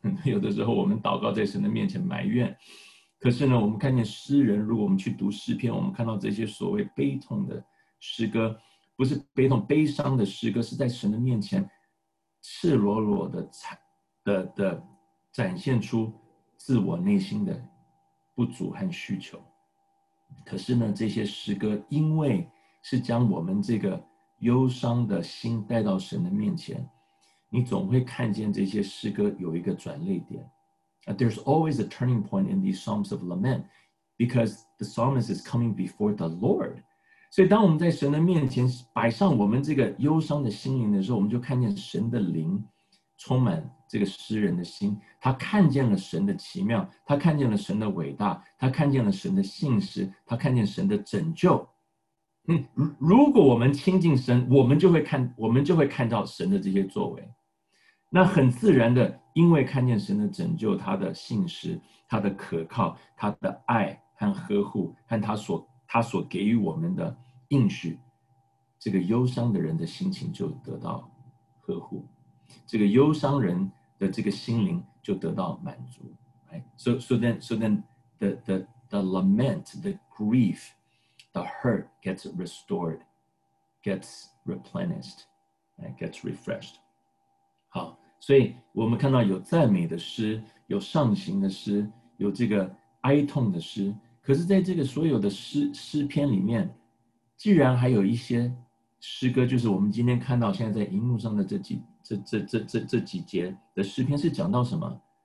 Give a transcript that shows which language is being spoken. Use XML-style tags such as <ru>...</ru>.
<zh>有的时候我们祷告在神的面前埋怨，可是呢，我们看见诗人，如果我们去读诗篇，我们看到这些所谓悲痛的诗歌，不是悲痛悲伤的诗歌，是在神的面前赤裸裸 的展现出自我内心的不足和需求。可是呢，这些诗歌因为是将我们这个忧伤的心带到神的面前，你总会看见这些诗歌有一个转捩点。</zh> <en>There's always a turning point in these Psalms of Lament because the psalmist is coming before the Lord.</en> <zh>所以当我们在神的面前摆上我们这个忧伤的心灵的时候，我们就看见神的灵充满这个诗人的心，他看见了神的奇妙，他看见了神的伟大，他看见了神的信实，他看见神的拯救。如果我们亲近神，我们就会看到神的这些作为。那很自然的，因为看见神的拯救，他的信实，他的可靠，他的爱和呵护，和他所给予我们的应许，这个忧伤的人的心情就得到呵护，这个忧伤人的这个心灵就得到满足。</zh> <en>So then the lament, the grief, the hurt gets restored, gets replenished, gets refreshed.</en> <zh>好，所以我们看到有赞美的诗，有上行的诗，有这个哀痛的诗，可是在这个所有的 诗篇里面，既然还有一些诗歌，就是我们今天看到现在在荧幕上的这几节的诗篇是讲到什么？</zh>